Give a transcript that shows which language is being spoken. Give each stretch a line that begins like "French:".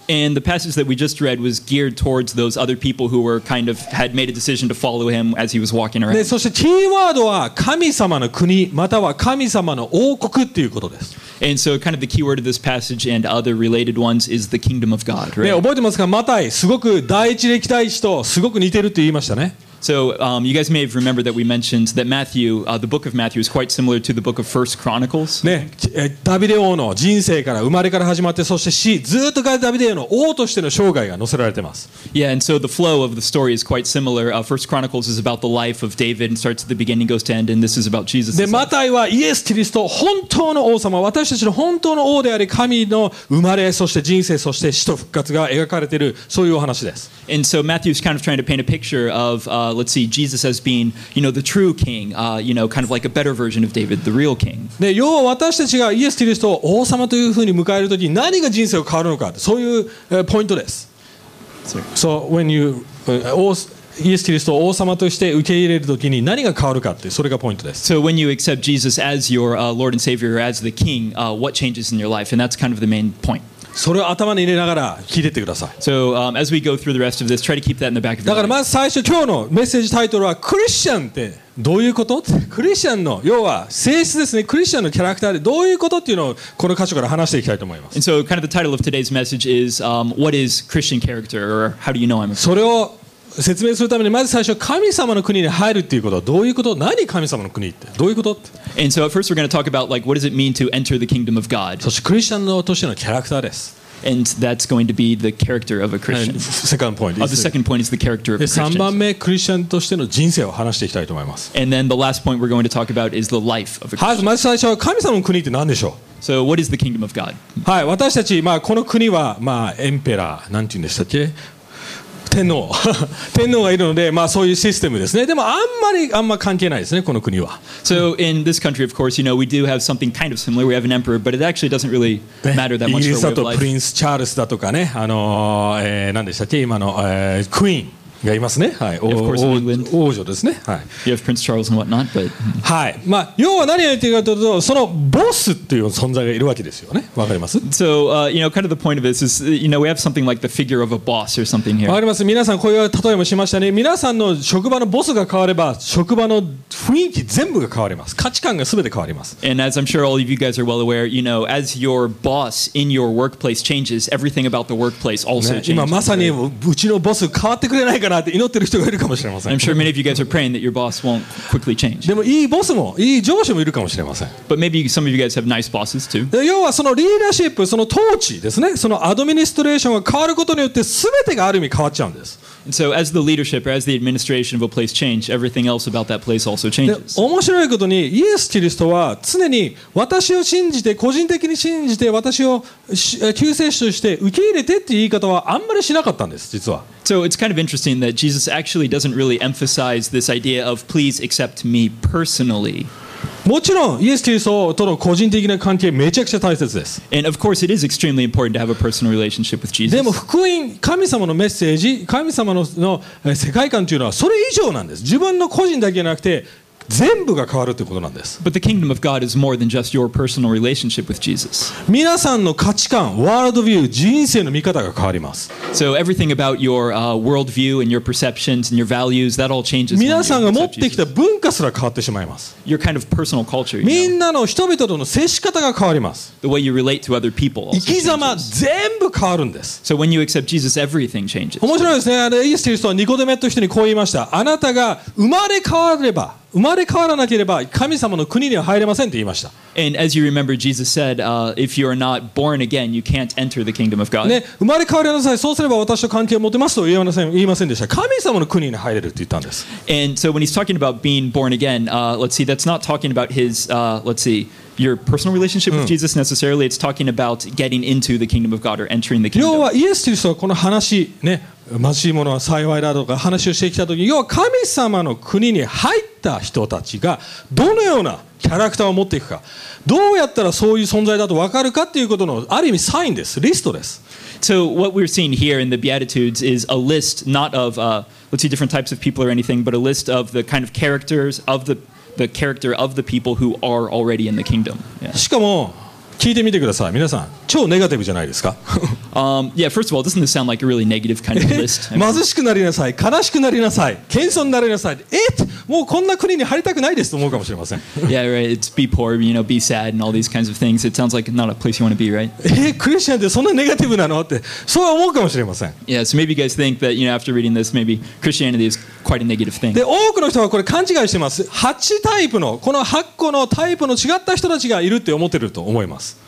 English: And the passage that we just read was geared towards those other people who were kind of had made a decision to follow him as he was walking around.
Japanese: そしてキーワードは神様の国または神様の王国っていうことです。
English: And so kind of the key word of this passage and other related ones is the kingdom of God, right?
Japanese: 覚えてますか？マタイ、すごく第一歴代史とすごく似てるって言いましたね。
English: So you guys may have remembered that we mentioned that Matthew, the book of Matthew is quite similar to the book of 1 Chronicles.
Japanese: ね、ダビデ王の人生から生まれから始まって、そして死、ずっとダビデ王の王としての生涯が載せられてます。
English: Yeah, and so the flow of the story is quite similar. 1 Chronicles is about the life of David and starts at the beginning, goes to end, and this is about Jesus.
Japanese: で、マタイはイエス・キリスト、本当の王様、私たちの本当の王であり、神の生まれ、そして人生、そして死と復活が描かれている、そういうお話です。
English: And so Matthew's kind of trying to paint a picture of, let's see, Jesus as being, you know, the true king, you know, kind of like a better version of David, the real king.
Japanese: で、要は私たちがイエス・キリストを王様というふうに迎えるとき、何が人生を変わるのか、そういう、ポイントです。
English: So when you,
Japanese: イエス・キリストを王様として受け入れるときに何が変わるかって、それがポイントです。
English: So when you accept Jesus as your, Lord and Savior, as the king, what changes in your life? And that's kind of the main point.
Japanese: それを頭に入れながら聞いていってください。
English: So, as we go through the rest of this, try to keep that in the back of your mind.
Japanese: だからまず最初、今日のメッセージタイトルは、クリスチャンってどういうこと？クリスチャンの、要は性質ですね。クリスチャンのキャラクターでどういうことっていうのをこの箇所から話していきたいと思います。
English: And so, kind of the title of today's message is, what is Christian character, or how do you know I'm a Christian?
Japanese: それを説明するためにまず最初神様の国に入るっていうことはどういうこと？何神様の国ってどういうこと？
English: And so at first we're going to talk about like what does it mean to enter the kingdom of God.
Japanese: そしてクリスチャンとしてのキャラクターです。
English: And that's going to be the character of a Christian. Second point. The second point is the character of a Christian.
Japanese: 3番目クリスチャンとしての人生を話していきたいと思います。
English: And then the last point we're going to talk about is the life of a Christian.
Japanese: はい、まず最初は神様の国って何でしょう？
English: So what is the kingdom of God?
Japanese: はい、私たちまあこの国はまあエンペラーなんて言うんでしたっけ？天皇天皇がいるので、まあ、そういうシステムですね。でもあんま関係ないですね、この国は。
English: So in this country, of course, you know, we do have something kind of similar. We have an emperor, but it actually doesn't really matter that much for our life.
Japanese: プリンス・チャールズだとかね、なんでしたっけ、今の、クイーン。がいますね。はい。王女ですね。はい。
English: You have Prince Charles and whatnot, but...
Japanese: はい。まあ、要は何を言っているかというと、そのボスという存在がいるわけですよね。わかります？
English: So, you know, kind of the point of this is, you know, we have something like the figure of a boss or something here.
Japanese: わかります。皆さんこういう例えもしましたね。皆さんの職場のボスが変われば、職場の雰囲気全部が変わります。価値観がすべて変わります。
English: And as I'm sure all of you guys are well aware, you know, as your boss in your workplace changes, everything about the workplace also changes.
Japanese: 今まさにうちのボス変わってくれないかなって祈ってる人がいるかもしれません。
English: I'm sure many of you guys are praying that your boss won't quickly change.
Japanese: でもいいボスもいい上司もいるかもしれません。
English: But maybe some of you guys have nice bosses too.
Japanese: 要はそのリーダーシップ、その統治ですね。そのアドミニストレーションが変わることによって全てがある意味変わっちゃうんです。
English: And so as the leadership or as the administration of a place change, everything else about that place also changes.
Japanese: で、面白いことにイエス・キリストは常に私を信じて個人的に信じて私を救世主として受け入れてっていう言い方はあんまりしなかったんです、実は。
English: So it's kind of interesting that Jesus actually doesn't really emphasize this idea of please accept me personally.
Japanese: もちろんイエス・キリストとの個人的な関係めちゃくちゃ大切です。
English: And of course, it is extremely important to have a personal relationship with Jesus.
Japanese: でも福音、神様のメッセージ、神様の世界観というのはそれ以上なんです。自分の個人だけじゃなくて全部が変わるということなんです。
English: But the kingdom of God is more than just your personal relationship with Jesus.
Japanese: 皆さんの価値観、ワールドビュー、人生の見方が変わります。
English: So everything about your worldview and your perceptions and your values, that all changes.
Japanese: 皆さんが持ってきた文化すら変わってしまいます。
English: Your kind of personal culture.
Japanese: みんなの人々との接し方が変わります。
English: The way you relate to other people.
Japanese: 生き様全部変わるんです。
English: So when you accept Jesus, everything changes.
Japanese: 面白いですね。あのイエス・キリストはニコデモという人にこう言いました。あなたが生まれ変われば生まれ変わらなければ神様の国には入れませんと言いました。
English: And as you remember, Jesus said, if you are not born again, you can't enter the kingdom of God.
Japanese: ね、生まれ変わりなさい。そうすれば私と関係を持てますと言いませんでした。神様の国に入れると言ったんです。
English: And so when he's talking about being born again, let's see, that's not talking about his, let's see, your personal relationship with Jesus necessarily. It's talking about getting into the kingdom of God or entering the kingdom.
Japanese: 要はイエスという人はこの話ね。貧しいものは幸いだとか話をしてきたときに、要は神様の国に入った人たちがどのようなキャラクターを持っていくか、どうやったらそういう存在だと分かるかということのある意味サインです、リストです。
English: So what we're seeing here in the Beatitudes is a list not of, let's see, different types of people or anything, but a list of the kind of characters of the character of the people who are already in the kingdom. Yeah.
Japanese: しかも聞いてみてください。皆さん、超ネガティブじゃないですか。
English: yeah, first of all, doesn't this sound like a really negative kind of list?
Japanese: 貧しくなりなさい、悲しくなりなさい、謙遜になりなさい。もうこんな国に入りたくないですと思うかもしれません。
English: yeah, right. It's be poor, you know, be sad, and all these kinds of things. It sounds like not a place you want to be, right?
Japanese: クリスチャンってそんなネガティブなのってそう思うかもしれません。
English: yeah, so maybe you guys think that, you know, after reading this, maybe Christianity is quite a negative thing.
Japanese: で、多くの人はこれ勘違いしてます。8タイプのこの8個のタイプの違った人たちがいるって思ってると思います。